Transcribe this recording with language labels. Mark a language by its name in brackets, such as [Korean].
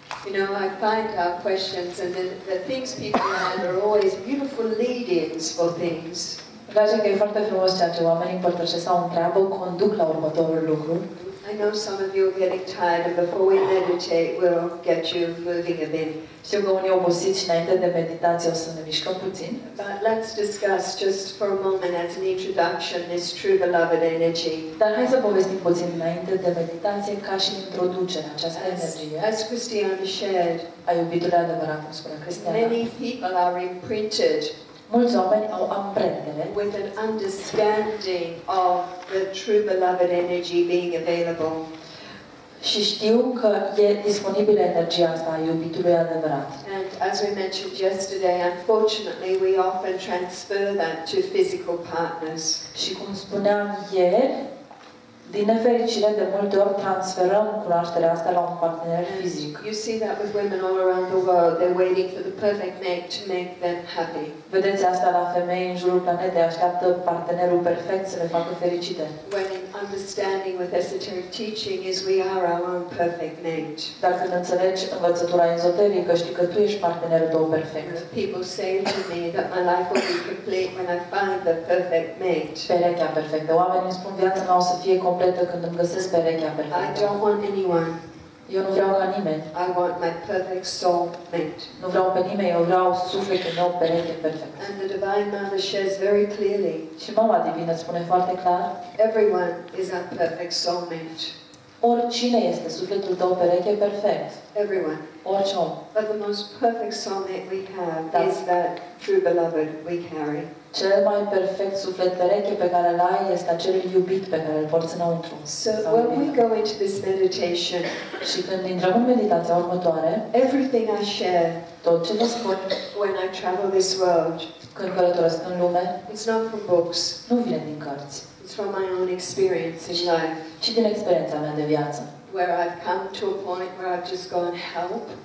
[English] You know, I find our questions and the things people have are always beautiful lead-ins for things. [Romanian] Dacă e foarte frumos ceea ce oamenii împărtășesc sau întreabă, conduc la următorul lucru. [English] I know some of you are getting tired and before we meditate, we'll get you moving a bit. [Romanian] Știu că unii obosiți înainte de meditație o să ne mișcăm puțin. [English] But let's discuss just for a moment as an introduction this true beloved energy. [Romanian] Dar hai să povestim puțin înainte de meditație ca și introducere această energie. [English] As Cristiana shared, [Romanian] a iubitul adevărat, cum spunea Cristiana. [English] Many people are imprinted. [Romanian] Mulți oameni au amprentele [English] with an understanding of the true beloved energy being available. [Romanian] Și știu că e disponibilă energia asta a iubitului adevărat. [English] And as we mentioned yesterday, unfortunately, we often transfer that to physical partners. [Romanian] Și cum spuneam ieri, din nefericire, de multe ori transferăm cunoașterea asta la un partener fizic. [English] You see that with women all around the world, they're waiting for the perfect mate to make them happy. [Romanian] Vedeți asta la femei în jurul planetei, așteaptă partenerul perfect să le facă fericite. [English] When understanding with esoteric teaching is we are our own perfect mate. [Romanian] Dar când înțelegi învățătura ezoterică, știi că tu ești partenerul tău perfect. [English] People say to me that my life will be complete when I find the perfect mate. [Romanian] Perechea perfectă. Oamenii îmi spun viața mea o să fie completă când îmi găsesc perechea perfectă. [English] I don't want anyone. [Romanian] Eu nu vreau la nimeni. [English] I want my perfect soulmate. [Romanian] Nu vreau pe nimeni, eu vreau sufletul meu pereche perfect. [English] And the Divine Mother shares very clearly. [Romanian] Și Mama Divină spune foarte clar. [English] Everyone is a perfect soulmate. [Romanian] Oricine este sufletul tău pereche perfect. [English] Everyone. [Romanian] Orice om. [English] But the most perfect soulmate we have is that true beloved we carry. [Romanian] Cel mai perfect suflet pereche pe care îl ai este acel iubit pe care îl porți înăuntru. [English] So when we go into this meditation, [Romanian] și când intrăm în meditația următoare, [English] everything I share, [Romanian] tot ce vă spun, [English] when I travel this world, [Romanian] când călătoresc în lume, [English] it's not from books, [Romanian] nu vine din cărți. [English] It's from my own experience in life, [Romanian] ci din experiența mea de viață. [English] Where I've come to a point where I've just gone help.